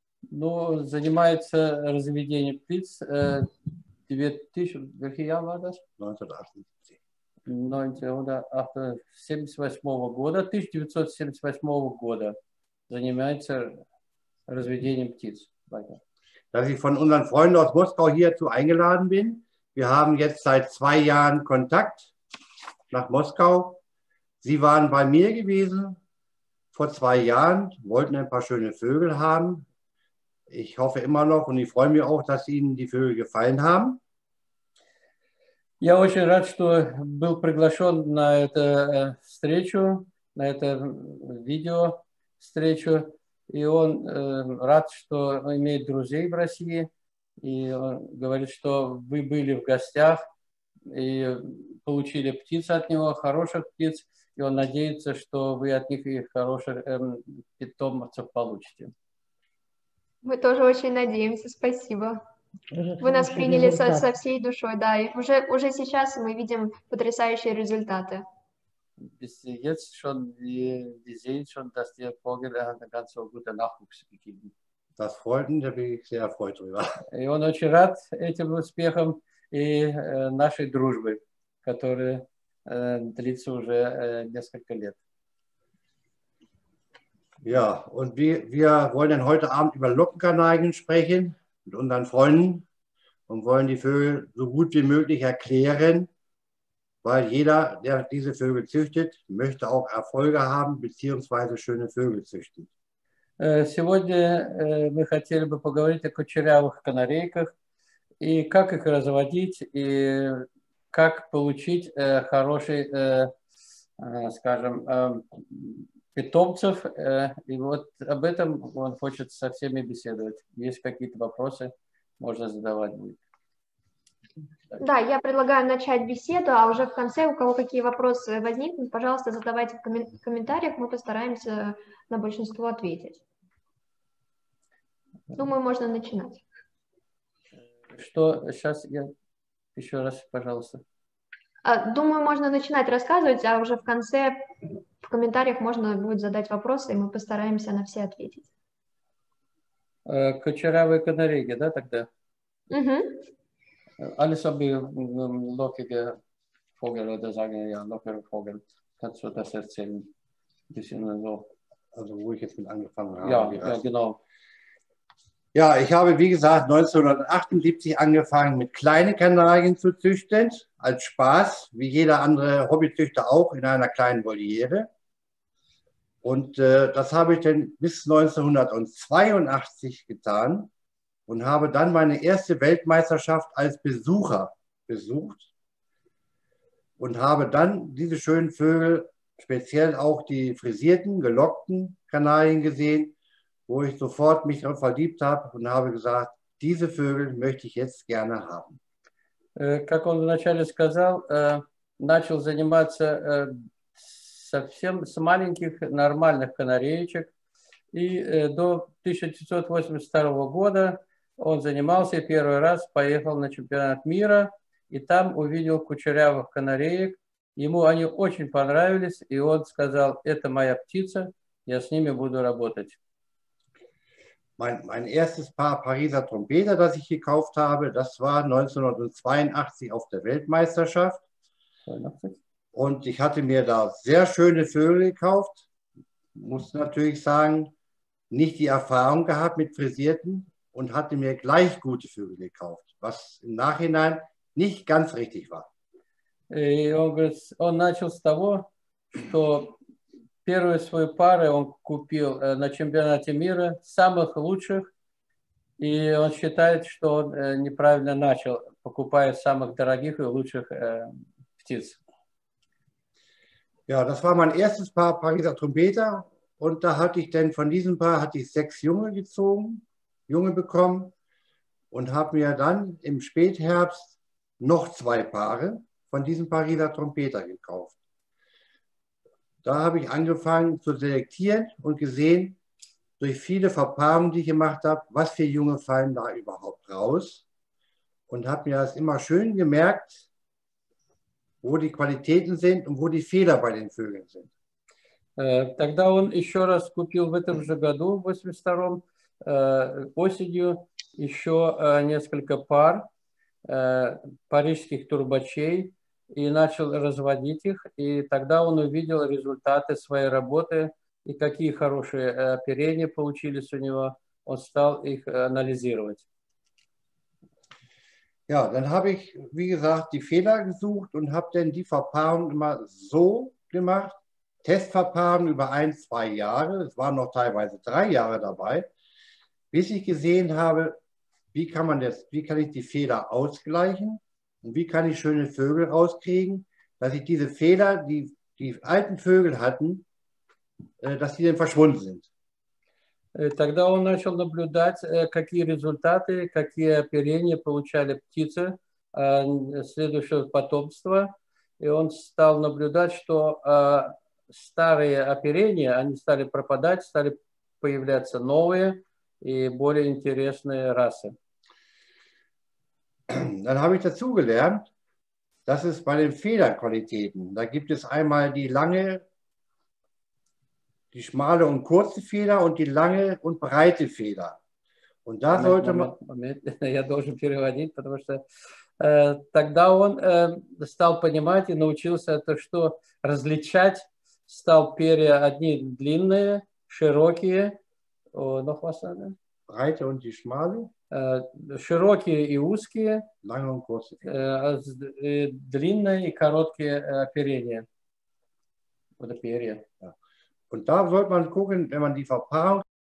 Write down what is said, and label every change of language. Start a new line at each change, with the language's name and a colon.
Russian: Ну, занимается разведением птиц 1978 года занимается разведением птиц.
German: Dass ich von unseren Freunden aus Moskau hierzu eingeladen bin. Wir haben jetzt seit 2 Jahren Kontakt nach Moskau. Sie waren bei mir gewesen vor 2 Jahren, wollten ein paar schöne Vögel haben. Ich hoffe immer noch und ich freue mich auch, dass Ihnen die Vögel gefallen haben.
Russian: Я очень рад, что был приглашен на эту встречу, на эту видео-встречу. И он рад, что имеет друзей в России. И он говорит, что вы были в гостях и получили птиц от него, хороших птиц. И он надеется, что вы от них и хороших питомцев получите. Мы тоже очень надеемся, спасибо. Вы нас приняли со всей душой, да. И уже сейчас мы видим потрясающие результаты.
German: Jetzt schon, wir sehen schon, dass der Vogel eine ganz gute Nachwuchs gegeben hat. Das freut mich, da bin ich sehr erfreut drüber.
Russian: И он очень рад этим успехом и нашей дружбы, которая длится уже несколько лет.
German: Ja, und wir wollen dann heute Abend über Lockenkanarien sprechen mit unseren Freunden und wollen die Vögel so gut wie möglich erklären. Weil jeder, der diese Vögel züchtet, möchte auch Erfolge haben, beziehungsweise schöne Vögel züchten.
Russian: Сегодня мы хотели бы поговорить о кучерявых канарейках и как их разводить, и как получить хороший, скажем, питомцев. И вот об этом он хочет со всеми беседовать. Есть какие-то вопросы, можно задавать будет. Да, я предлагаю начать беседу, а уже в конце, у кого какие вопросы возникнут, пожалуйста, задавайте в комментариях, мы постараемся на большинство ответить. Думаю, можно начинать. Что, сейчас я еще раз, пожалуйста. Думаю, можно начинать рассказывать, а уже в конце в комментариях можно будет задать вопросы, и мы постараемся на все ответить. Кочеравые канарейки, да, тогда? Угу.
German: Alles habe ich lockige Vogel oder sagen ja lockere Vogel. Kannst du das erzählen? Ein bisschen so. Also wo ich jetzt mit angefangen habe. Ja, ja, genau. Ja, ich habe wie gesagt 1978 angefangen mit kleinen Kanarien zu züchten. Als Spaß, wie jeder andere Hobbyzüchter auch in einer kleinen Voliere. Und das habe ich dann bis 1982 getan. Und habe dann meine erste Weltmeisterschaft als Besucher besucht und habe dann diese schönen Vögel, speziell auch die frisierten, gelockten Kanarien gesehen, wo ich sofort mich drauf verliebt habe und habe gesagt, diese Vögel möchte ich jetzt gerne haben.
Russian: Как он вначале сказал, начал заниматься совсем с маленьких нормальных канареечек и до 1982 года он занимался и первый раз поехал на чемпионат мира, и там увидел кучерявых канареек. Ему они очень понравились, и он сказал, это моя птица, я с ними буду работать.
German: Mein erstes Paar Pariser Trompeter, das ich gekauft habe, das war 1982 auf der Weltmeisterschaft. 82. Und ich hatte mir da sehr schöne Vögel gekauft. Muss natürlich sagen, nicht die Erfahrung gehabt mit frisierten, und hatte mir gleich gute Vögel gekauft, was im Nachhinein nicht ganz richtig war.
Russian: Он начал с того, что первые свои пары он купил на чемпионате мира самых лучших, и он считает, что он неправильно начал, покупая самых дорогих и лучших птиц.
German: Ja, das war mein erstes Paar Pariser Trompeter. Und da hatte ich dann von diesem Paar hatte ich 6 Junge gezogen, Junge bekommen. Und habe mir dann im Spätherbst noch 2 Paare von diesem Pariser Trompeter gekauft. Da habe ich angefangen zu selektieren und gesehen, durch viele Verpaarungen, die ich gemacht habe, was für Junge fallen da überhaupt raus. Und habe mir das immer schön gemerkt, wo die Qualitäten sind und wo die Fehler bei den Vögeln sind.
Russian: Тогда он еще раз купил в этом же году, в 82-м, осенью, еще несколько пар парижских турбачей и начал разводить их. И тогда он увидел результаты своей работы и какие хорошие оперения получились у него. Он стал их анализировать.
German: Ja, dann habe ich, wie gesagt, die Fehler gesucht und habe dann die Verpaarung immer so gemacht, Testverpaarung über 1-2 Jahre, es waren noch teilweise 3 Jahre dabei, bis ich gesehen habe, wie kann ich die Fehler ausgleichen und wie kann ich schöne Vögel rauskriegen, dass ich diese Fehler, die die alten Vögel hatten, dass die dann verschwunden sind.
Russian: Тогда он начал наблюдать, какие результаты, какие оперения получали птицы следующего потомства. И он стал наблюдать, что старые оперения, они стали пропадать, стали появляться новые и более интересные расы.
German: Dann habe ich dazu gelernt, dass es bei den Federqualitäten, da gibt es einmal die lange, die schmale und kurze Feder und die lange und breite Feder. Und da sollte man...
Russian: Я должен переводить, потому что тогда он стал понимать и научился это, что различать стал перья одни длинные, широкие, но хвостные.
German: Breite und die schmale.
Russian: Широкие и узкие.
German: Lange und kurze.
Russian: Длинные и короткие оперения.
German: Oder
Russian: перья.
German: Und da sollte man gucken, wenn man die Verpaarung...